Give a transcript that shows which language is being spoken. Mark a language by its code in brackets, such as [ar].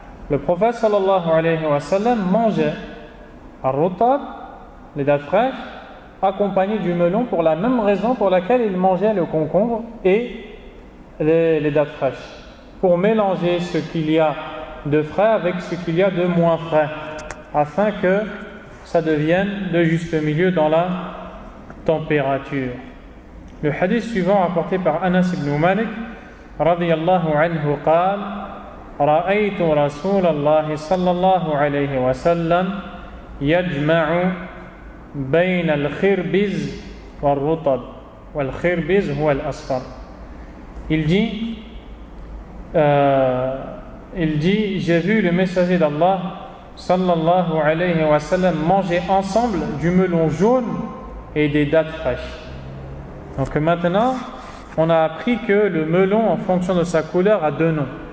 [fr] Le prophète sallallahu alayhi wa sallam mangeait ar-rutab, les dattes fraîches, accompagné du melon pour la même raison pour laquelle il mangeait le concombre et les dattes fraîches. Pour mélanger ce qu'il y a de frais avec ce qu'il y a de moins frais, afin que ça devienne de juste milieu dans la température. Le hadith suivant rapporté par Anas ibn Malik radiyallahu anhu [ar] قال رأيت رسول الله صلى الله عليه وسلم يجمع بين الخربز والرطب. والخربز هو الأصفر. [fr] Il dit, il dit, j'ai vu le messager d'Allah sallallahu alayhi wa sallam manger ensemble du melon jaune et des dattes fraîches. Donc maintenant, on a appris que le melon, en fonction de sa couleur, a deux noms.